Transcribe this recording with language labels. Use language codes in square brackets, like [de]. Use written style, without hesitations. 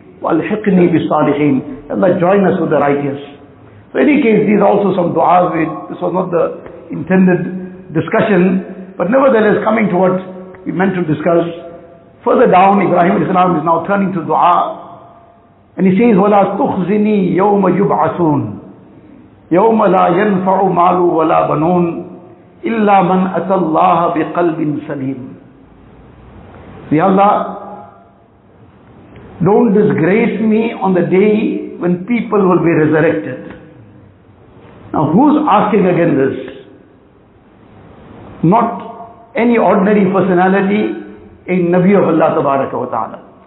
[ar] وَالْحِقْنِي بِالصَّالِحِينَ. [en] Allah, join us with the righteous. So in any case, these are also some duas. This was not the intended discussion. But nevertheless, coming to what we meant to discuss, further down, Ibrahim alayhi salam is now turning to dua. And he says, [ar] وَلَا تُخْزِنِي يَوْمَ يُبْعَثُونَ يَوْمَ لَا يَنْفَعُ مَالُ وَلَا بَنُونَ إِلَّا مَنْ أَتَى اللَّهَ بِقَلْبٍ سَلِيمٍ. [en] Ya Allah, don't disgrace me on the day when people will be resurrected. Now who's asking again this? Not any ordinary personality, a Nabi of Allah Tabaraka wa Ta'ala.